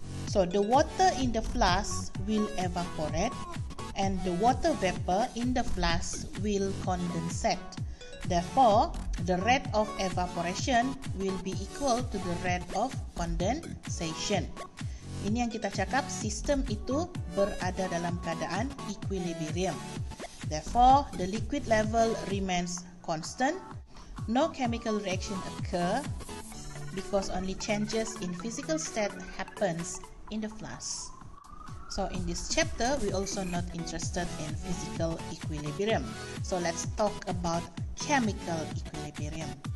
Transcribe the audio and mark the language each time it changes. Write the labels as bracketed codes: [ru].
[en] So the water in the flask will evaporate and the water vapor in the flask will condensate. Therefore, the rate of evaporation will be equal to the rate of condensation. [ms] Ini yang kita cakap, sistem itu berada dalam keadaan equilibrium. [en] Therefore, the liquid level remains constant. No chemical reaction occur because only changes in physical state happens in the flask. So in this chapter, we also not interested in physical equilibrium. So let's talk about chemical equilibrium.